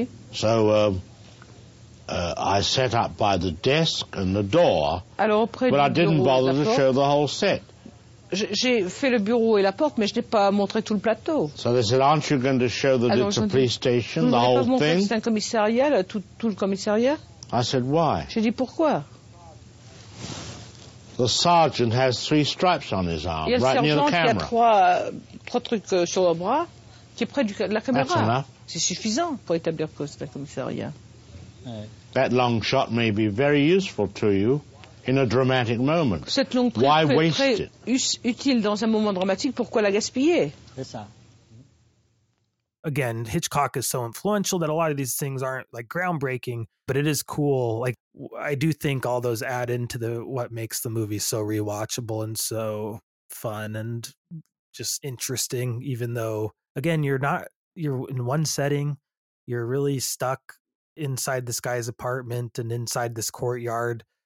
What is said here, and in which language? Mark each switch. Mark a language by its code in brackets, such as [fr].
[en] I set up by the desk and the door, but I didn't bother to show the whole set. [fr] J'ai fait le bureau et la porte, mais je n'ai pas montré tout le plateau. [en] So they said, aren't you going to show that it's a police station, the whole thing? [fr] C'est un commissariat, là, tout le commissariat? [en] I said, why? [fr] J'ai dit, pourquoi? [en] The sergeant has three stripes on his arm, right near the camera. [fr] Il y a trois trucs sur le bras, qui est près de la caméra. [en] That's enough. [fr] C'est suffisant pour établir que c'est un commissariat. [en] That long shot may be very useful to you in a dramatic moment. [fr] Cette longue prise, [en] why waste it? [fr] Utile dans un moment dramatique, pourquoi la gaspiller? [en] Again, Hitchcock is so influential that a lot of these things aren't like groundbreaking, but it is cool. Like, I do think all those add into the what makes the movie so rewatchable and so fun and just interesting, even though, again, you're in one setting, you're really stuck inside this guy's apartment and inside this courtyard.